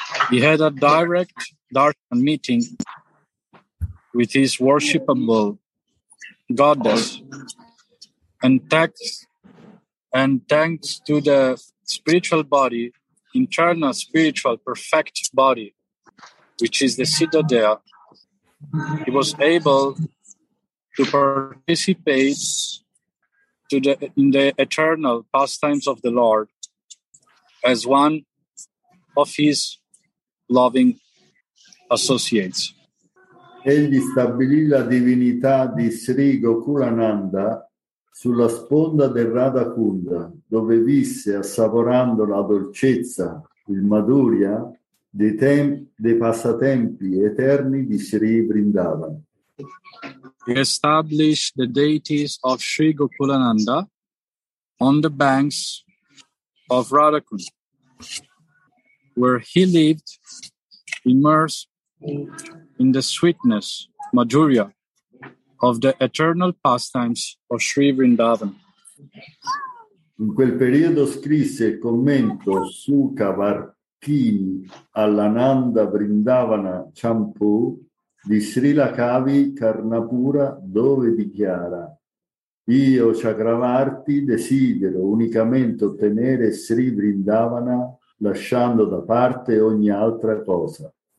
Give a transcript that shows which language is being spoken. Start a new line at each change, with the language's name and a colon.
English: He had a direct darshan meeting with his worshipable goddess, and thanks to the spiritual body, internal spiritual perfect body, which is the Siddhadeha, he was able to participate in the eternal pastimes of the Lord as one of his loving associates.
Italian: Egli stabilì la divinità di Sri Gokulananda sulla sponda del Radha Kunda, dove visse assaporando la dolcezza, il madhurya, dei passatempi eterni di Sri Vrindavan.
English: He established the deities of Sri Gokulananda on the banks of Radha Kunda, where he lived immersed in the sweetness, madhurya, of the eternal pastimes of Sri Vrindavan.
Italian: In quel periodo scrisse il commento Sukha Varkini all'Ananda Vrindavana Champu di Srila Kavi Karnapura, dove dichiara: "Io, Chakravarti, desidero unicamente ottenere Sri Vrindavana lasciando da parte ogni altra cosa."